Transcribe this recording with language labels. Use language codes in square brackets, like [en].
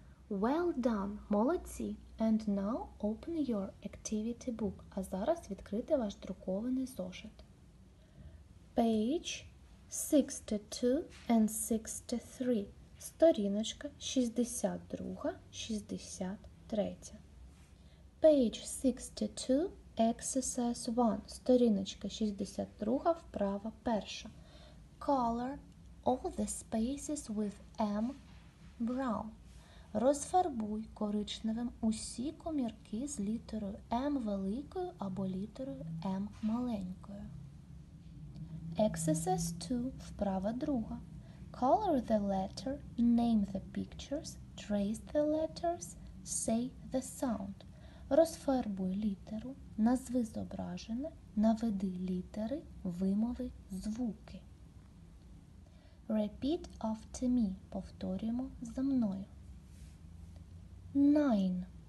[en] Well done, [uk] молодці! [en] And now open your activity book. [uk] А зараз відкрити ваш друкований зошит. [en] Page 62 and 63. [uk] Сторіночка 62, 63. [en] Page 62, exercise 1. [uk] Сторіночка 62, вправа перша. [en] Color all the spaces with M brown. [uk] Розфарбуй коричневим усі комірки з літерою M великою або літерою M маленькою. [en] Exercise 2, [uk] вправа друга. [en] Color the letter, name the pictures, trace the letters, say the sound. [uk] Розфарбуй літеру, назви зображене, наведи літери, вимови звуки. [en] Repeat after me, [uk] повторюємо за мною. [en] Nine.